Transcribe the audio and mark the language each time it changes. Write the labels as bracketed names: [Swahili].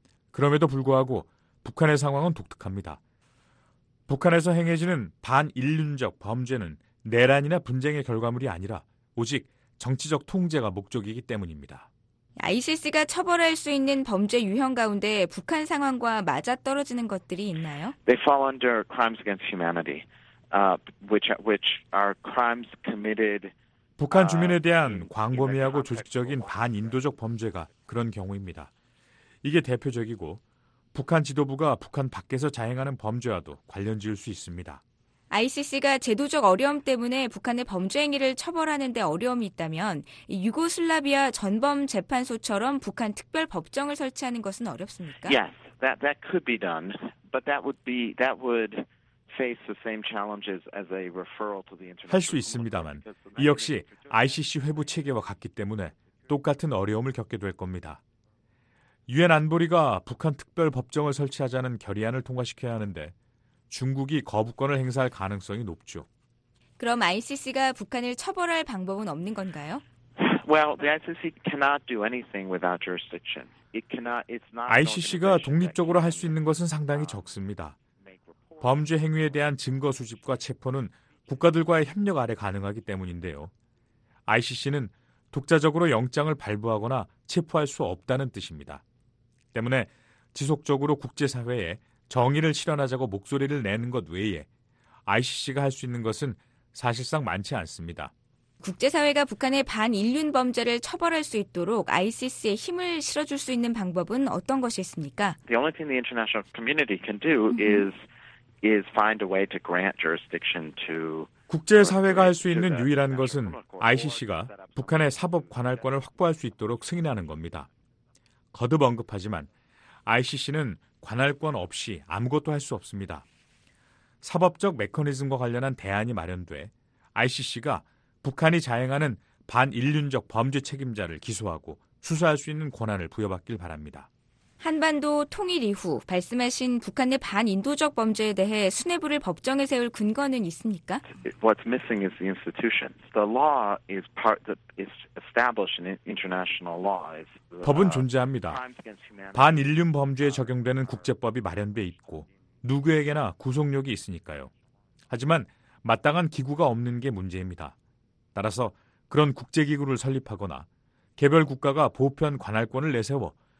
[Korean] 그럼에도 불구하고 북한의 상황은 독특합니다. 북한에서 행해지는 반인륜적 범죄는 내란이나 분쟁의 결과물이 아니라 오직 정치적 통제가 목적이기 때문입니다. ICC가 처벌할 수 있는 범죄 유형 가운데 북한 상황과 맞아떨어지는 것들이 있나요? [English] They fall under crimes against humanity, which are crimes committed [Korean] 북한 주민에 대한 광범위하고 조직적인 반인도적 범죄가 그런 경우입니다. 이게 대표적이고 북한 지도부가 북한 밖에서 자행하는 범죄와도 관련 지을 수 있습니다. ICC가 제도적 어려움 때문에 북한의 범죄 행위를 처벌하는 데 어려움이 있다면 유고슬라비아 전범재판소처럼 북한 특별법정을 설치하는 것은 어렵습니까? [English] Yes, that could be done. But that would face the same challenges as a referral to the international. [Korean] 할 수 있습니다만 이 역시 ICC 회부 체계와 같기 때문에 똑같은 어려움을 겪게 될 겁니다. 유엔 안보리가 북한 특별 법정을 설치하자는 결의안을 통과시켜야 하는데 중국이 거부권을 행사할 가능성이 높죠. 그럼 ICC가 북한을 처벌할 방법은 없는 건가요? [English] Well, the ICC cannot do anything without jurisdiction. [Korean] ICC가 독립적으로 할 수 있는 것은 상당히 적습니다. 범죄 행위에 대한 증거 수집과 체포는 국가들과의 협력 아래 가능하기 때문인데요. ICC는 독자적으로 영장을 발부하거나 체포할 수 없다는 뜻입니다. 때문에 지속적으로 국제사회에 정의를 실현하자고 목소리를 내는 것 외에 ICC가 할 수 있는 것은 사실상 많지 않습니다. 국제사회가 북한의 반인륜 범죄를 처벌할 수 있도록 ICC에 힘을 실어줄 수 있는 방법은 어떤 것이 있습니까? [English] The only thing the international community can do is find a way to grant jurisdiction to [Korean] 국제사회가 할 수 있는 유일한 것은 ICC가 북한의 사법 관할권을 확보할 수 있도록 승인하는 겁니다. 거듭 언급하지만 ICC는 관할권 없이 아무것도 할 수 없습니다. 사법적 메커니즘과 관련한 대안이 마련돼 ICC가 북한이 자행하는 반인륜적 범죄 책임자를 기소하고 수사할 수 있는 권한을 부여받길 바랍니다. 한반도 통일 이후 말씀하신 북한의 반인도적 범죄에 대해 수뇌부를 법정에 세울 근거는 있습니까? [English] What's missing is the institutions. The law is part that is established in international law. [Korean] 법은 존재합니다. 반인륜 범죄에 적용되는 국제법이 마련돼 있고 누구에게나 구속력이 있으니까요. 하지만 마땅한 기구가 없는 게 문제입니다. 따라서 그런 국제기구를 설립하거나 개별 국가가 보편 관할권을 내세워